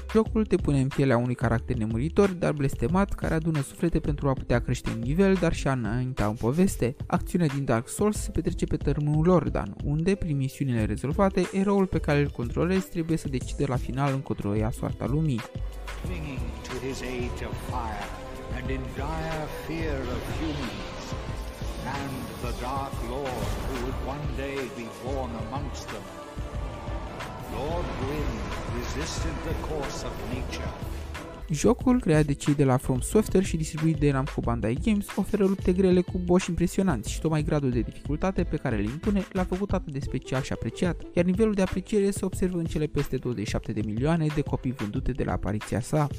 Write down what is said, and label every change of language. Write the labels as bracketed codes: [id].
[ro] Jocul te pune în pielea unui caracter nemuritor, dar blestemat, care adună suflete pentru a putea crește în nivel, dar și a înainta în poveste. Acțiunea din Dark Souls se petrece pe tărâmul Lordan, unde, prin misiunile rezolvate, eroul pe care îl controlezi trebuie să decide la final încotro ia soarta lumii. [en] Clinging to his age of fire and in dire fear of humans, and the Dark Lord who would one day be born amongst them, Lord Gwyn resisted the course of nature. [ro] Jocul, creat de cei de la From Software și distribuit de Namco Bandai Games, oferă lupte grele cu boși impresionanți și tocmai gradul de dificultate pe care le impune l-a făcut atât de special și apreciat, iar nivelul de apreciere se observă în cele peste 27 de milioane de copii vândute de la apariția sa.